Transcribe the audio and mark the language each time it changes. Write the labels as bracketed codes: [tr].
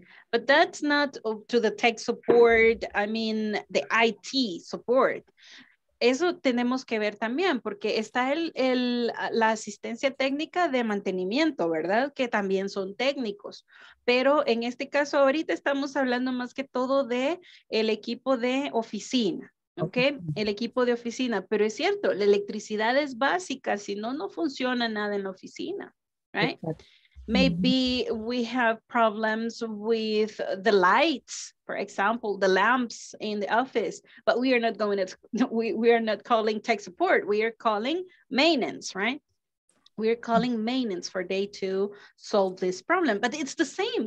[en] But that's not to the tech support, I mean the IT support. [es] Eso tenemos que ver también, porque está la asistencia técnica de mantenimiento, ¿verdad? Que también son técnicos. Pero en este caso, ahorita estamos hablando más que todo de el equipo de oficina, ¿ok? El equipo de oficina. Pero es cierto, la electricidad es básica, si no, no funciona nada en la oficina, ¿right? [en] Maybe we have problems with the lights, for example, the lamps in the office, but we are not going to, we are not calling tech support. We are calling maintenance, right? We are calling maintenance for day to solve this problem, but it's the same.